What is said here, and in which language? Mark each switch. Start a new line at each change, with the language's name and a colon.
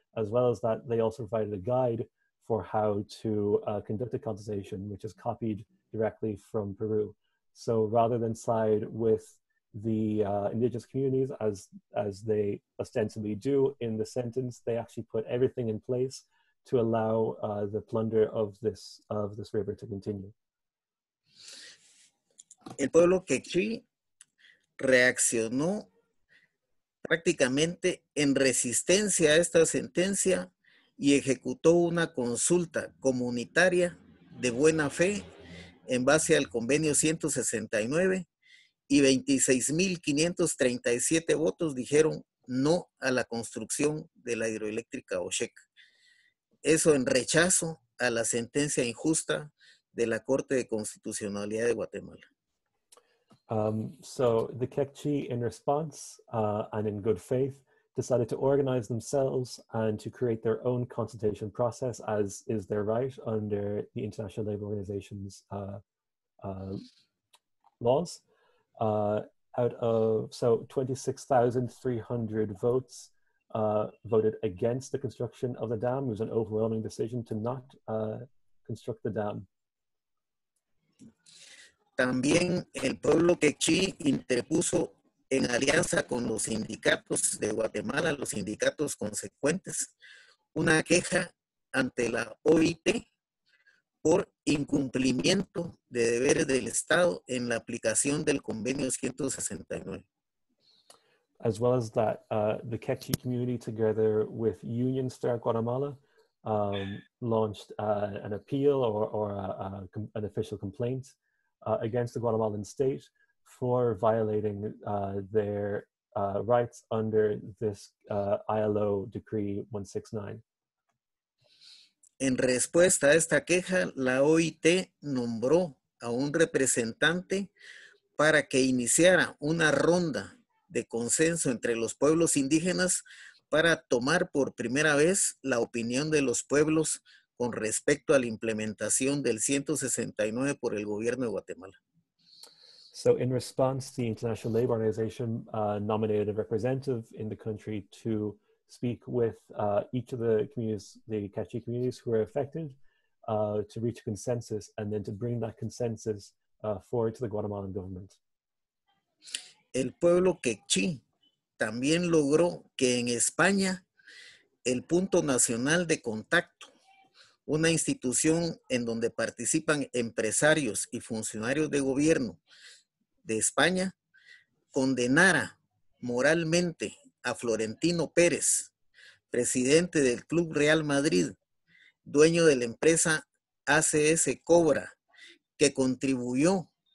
English: As well as that, they also provided a guide for how to conduct a consultation, which is copied directly from Peru. So rather than side with the indigenous communities, as they ostensibly do in the sentence, they actually put everything in place to allow the plunder of this river to continue.
Spanish: El pueblo Quechí reaccionó prácticamente en resistencia a esta sentencia y ejecutó una consulta comunitaria de buena fe en base al convenio 169. Y 26,537 votos dijeron no a la construcción de la hidroeléctrica Oxec. Eso en rechazo a la sentencia injusta de la Corte de Constitucionalidad de Guatemala.
English: So the Quechí, in response and in good faith, decided to organize themselves and to create their own consultation process, as is their right under the International Labor Organization's laws. Out of, so 26,300 votes voted against the construction of the dam. It was an overwhelming decision to not construct the dam.
Spanish: También el pueblo Quechí interpuso en alianza con los sindicatos de Guatemala, los sindicatos consecuentes, una queja ante la OIT por incumplimiento de deberes del Estado en la aplicación del convenio 169.
English: As well as that, the Quechí community, together with unions throughout Guatemala, launched an appeal or an official complaint against the Guatemalan state for violating their rights under this ILO decree 169.
Spanish: En respuesta a esta queja, la OIT nombró a un representante para que iniciara una ronda de consenso entre los pueblos indígenas para tomar por primera vez la opinión de los pueblos con respecto a la implementación del 169 por el gobierno de Guatemala.
English: So in response, the International Labor Organization nominated a representative in the country to speak with each of the communities, the Quechí communities who are affected, to reach a consensus and then to bring that consensus forward to the Guatemalan government.
Spanish: El pueblo Quechí también logró que en España el punto nacional de contacto, una institución en donde participan empresarios y funcionarios de gobierno de España, condenara moralmente a Florentino Pérez, presidente del Club Real Madrid, dueño de la empresa ACS Cobra, que contribuyó